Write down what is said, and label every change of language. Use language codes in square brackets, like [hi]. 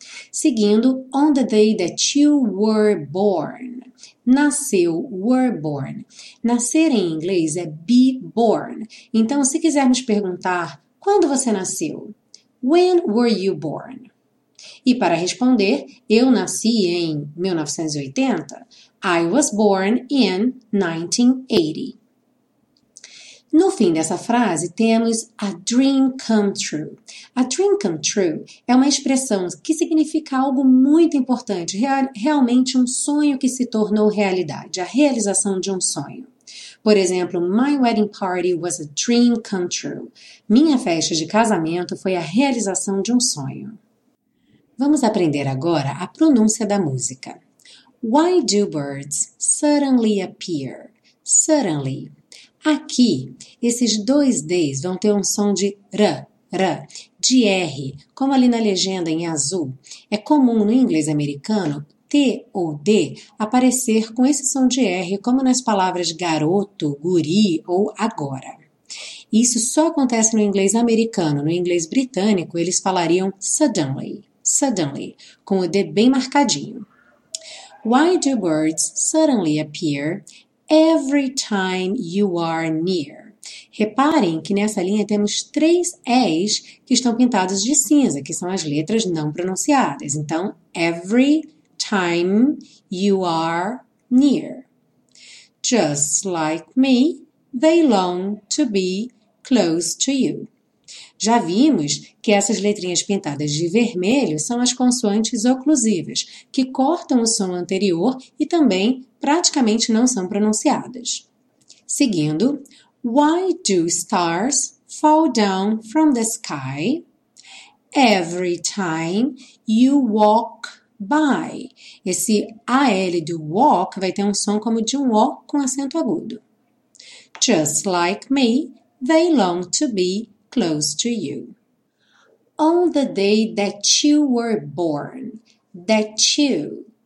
[pt] Seguindo, [en] on the day that you were born. [pt] Nasceu, [en] were born. [pt] Nascer em inglês é be born. Então, se quisermos perguntar, quando você nasceu? [en] When were you born? [pt] E para responder, eu nasci em 1980. [en] I was born in 1980. [pt] No fim dessa frase, temos [en] a dream come true. [pt] A dream come true é uma expressão que significa algo muito importante, realmente um sonho que se tornou realidade, a realização de um sonho. Por exemplo, [en] my wedding party was a dream come true. [pt] Minha festa de casamento foi a realização de um sonho. Vamos aprender agora a pronúncia da música. [en] Why do birds suddenly appear? Suddenly. [pt] Aqui, esses dois D's vão ter um som de R, R, de R, como ali na legenda em azul. É comum no inglês americano T ou D aparecer com esse som de R, como nas palavras garoto, guri ou agora. Isso só acontece no inglês americano. No inglês britânico, eles falariam suddenly, suddenly, com o D bem marcadinho. [en] Why do birds suddenly appear every time you are near? [pt] Reparem que nessa linha temos três E's que estão pintados de cinza, que são as letras não pronunciadas. Então, [en] every time you are near. Just like me, they long to be close to you. [pt] Já vimos que essas letrinhas pintadas de vermelho são as consoantes oclusivas, que cortam o som anterior e também praticamente não são pronunciadas. Seguindo, [en] why do stars fall down from the sky every time you walk by? [pt] Esse AL do walk vai ter um som como de um O com acento agudo. [en] Just like me, they long to be close to you. On the day that you were born, that you.